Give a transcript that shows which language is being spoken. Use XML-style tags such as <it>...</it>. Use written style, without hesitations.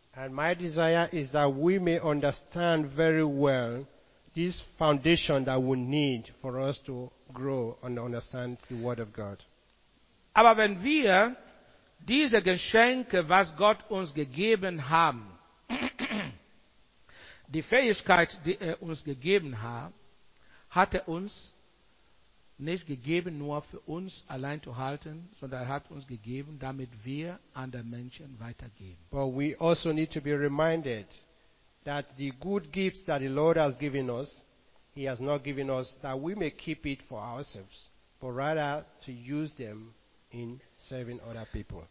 <en>And my desire is that we may understand very well this foundation that we need for us to grow and understand the Word of God.</en> <de>Aber wenn wir diese Geschenke, was Gott uns gegeben haben, die Fähigkeit, die uns gegeben hat uns nicht gegeben, nur für uns allein zu halten, sondern hat uns gegeben, damit wir anderen Menschen weitergeben.</de> <en>But we also need to be reminded that the good gifts that the Lord has given us, He has not given us that we may keep it for ourselves, but rather to use them in serving other people.</en>